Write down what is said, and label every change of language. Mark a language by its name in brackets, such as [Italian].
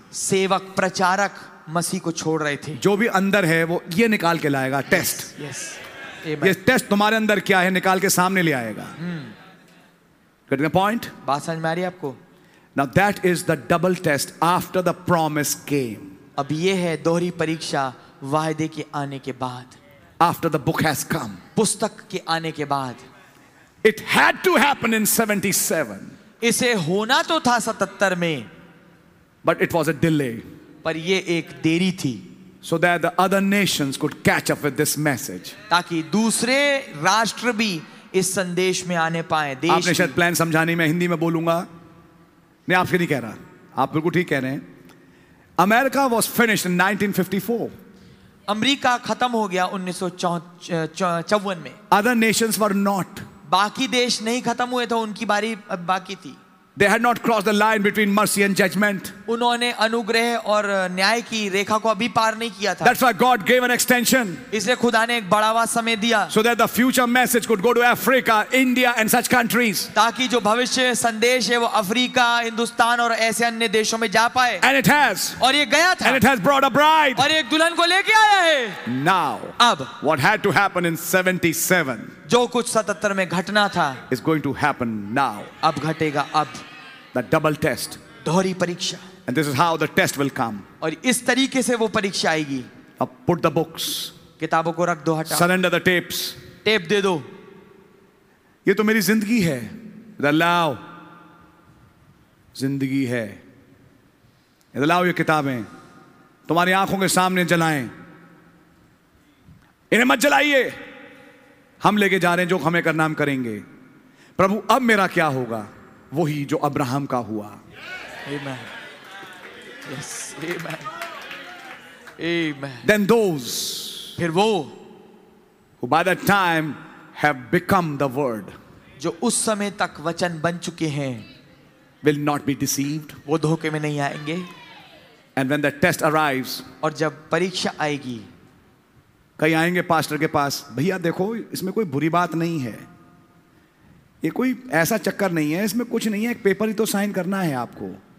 [Hindi] सेवक प्रचारक मसीह को छोड़ रहे थे. जो भी अंदर है वो ये निकाल के लाएगा. [English] yes, [Hindi] टेस्ट [English] yes, [Hindi] ये टेस्ट तुम्हारे अंदर क्या है निकाल के सामने ले आएगा. [English] Getting a point? [Hindi] बात समझ में आ रही आपको. [English] Now that is the double test after the promise came. [Hindi] अब ये है दोहरी परीक्षा वायदे के आने के बाद. [English] After the book has come. [Hindi] पुस्तक के आने के बाद. [English] It had to happen in 77. [Hindi] इसे होना तो था 77 में. [English] But it was a delay. [Hindi] पर ये एक देरी थी. [English] So that the other nations could catch up with this message. [Hindi] ताकि दूसरे राष्ट्र भी इस संदेश में आने पाए. आपने शायद प्लान समझाने में हिंदी में बोलूंगा. नहीं आपके नहीं कह रहा. आप बिल्कुल ठीक कह रहे हैं. [English] America was finished in 1954. [Hindi] America खत्म हो गया 1954 में. [English] Other nations were not. [Hindi] बाकी देश नहीं खत्म हुए थे, उनकी बारी बाकी थी. [English] They had not crossed the line between mercy and judgment. [Hindi] उन्होंने अनुग्रह और न्याय की रेखा को अभी पार नहीं किया था. [English] That's why God gave an extension. [Hindi] इसलिए खुदा ने एक बढ़ावा समय दिया. [English] So that the future message could go to Africa, India, and such countries. [Hindi] ताकि जो भविष्य संदेश है वो अफ्रीका, हिंदुस्तान और ऐसे अन्य देशों में जा पाए. [English] And it has. [Hindi] और ये गया था. [English] And it has brought a bride. [Hindi] और एक दुल्हन को लेके आया है. [English] Now. [Hindi] अब. [English] What had to happen in 77? [Hindi] जो कुछ 77 में घटना था. [English] Is going to happen now. [Hindi] अब घटेगा अब. [English] The double test. [Hindi] दोहरी परीक्षा. [English] And this is how the test will come. [Hindi] और इस तरीके से वो परीक्षा आएगी. [English] Now put the books. [Hindi] किताबों को रख दो, हटा. [English] Surrender the tapes. [Hindi] टेप दे दो. ये तो मेरी जिंदगी है. Allow. जिंदगी है. Allow ये किताबें तुम्हारी आंखों के सामने जलाएं. इन्हें मत जलाइए. हम लेके जा रहे हैं जो हमें करनाम करेंगे. प्रभु अब मेरा क्या होगा? वही जो अब्राहम का हुआ. [English] Amen. Yes. Amen. Amen. Then those. [Hindi] फिर वो. [English] Who by that time have become the word. [Hindi] जो उस समय तक वचन बन चुके हैं. [English] Will not be deceived. [Hindi] वो धोखे में नहीं आएंगे. [English] And when the test arrives. [Hindi] और जब परीक्षा आएगी. कहीं आएंगे पास्टर के पास, भैया देखो इसमें कोई बुरी बात नहीं है, ये कोई ऐसा चक्कर नहीं है, इसमें कुछ नहीं है, एक पेपर ही तो साइन करना है आपको.